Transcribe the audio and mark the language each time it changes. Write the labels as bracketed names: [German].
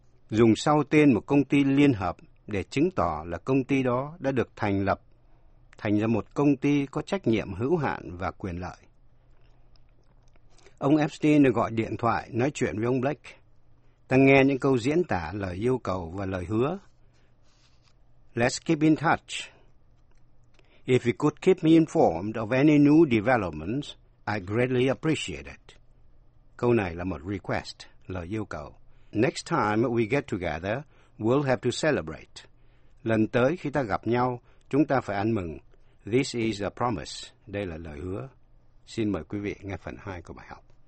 [Vietnamese] Dùng sau tên một công ty liên hợp để chứng tỏ là công ty đó đã được thành lập thành ra một công ty có trách nhiệm hữu hạn và quyền lợi. Ông Epstein gọi điện thoại nói chuyện với ông Blake. Ta nghe những câu diễn tả lời yêu cầu và lời hứa. [English] Let's keep in touch. If you could keep me informed of any new developments, I greatly appreciate it. [Vietnamese] Câu này là một request, lời yêu cầu. [English] Next time we get together, we'll have to celebrate. [Vietnamese] Lần tới khi ta gặp nhau, chúng ta phải ăn mừng. [English] This is a promise. [Vietnamese] Đây là lời hứa. Xin mời quý vị nghe phần 2 của bài học.